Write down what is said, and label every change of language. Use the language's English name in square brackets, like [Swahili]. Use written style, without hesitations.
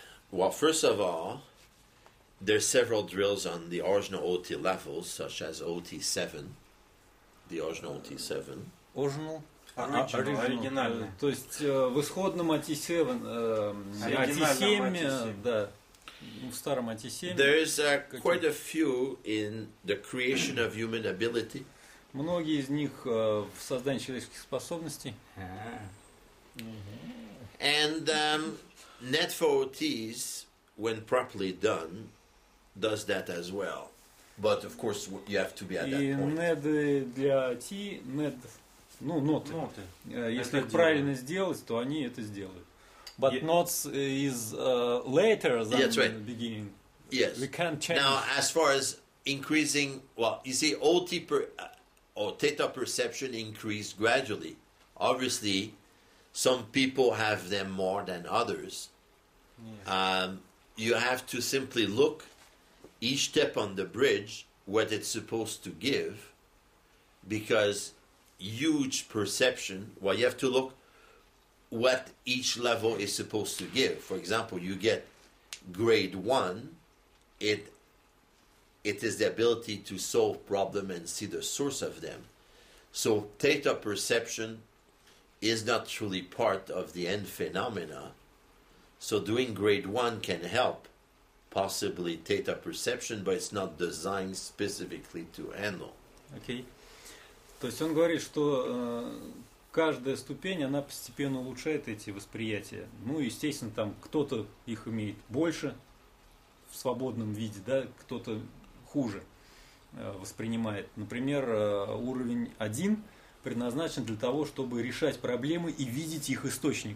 [English] Well, first of all, there's several drills on the original OT levels, such as OT7, the original OT7. Original. [Russian] То есть в исходном OT7, OT7, да, в старом OT7. [English] There's quite a few in the creation of human ability. [Russian] Многие из них в создании человеческих способностей. [English] And net for OTs, when properly done, does that as well. But of course, you have to be at that point. [Russian] И NED для OT, NED, ну, ноты. Если их правильно сделать, то они это сделают. [English] But yeah. Notes is later than yeah, right. the beginning. Yes. We can't change. Now, as far as increasing, well, you see, OT per... Or theta perception increased gradually. Obviously, some people have them more than others. Yeah. You have to simply look each step on the bridge, what it's supposed to give, because huge perception, well, you have to look what each level is supposed to give. For example, you get grade one, it is the ability to solve problems and see the source of them. So theta perception is not truly part of the end phenomena. So doing grade one can help possibly theta perception, but it's not designed specifically to handle. Okay. [Russian] То есть он говорит, что каждая ступень, она постепенно улучшает эти восприятия. Ну, естественно, там кто-то их имеет больше в свободном виде, да, кто-то хуже воспринимает. Например, уровень 1 предназначен для того, чтобы решать проблемы и видеть их источник.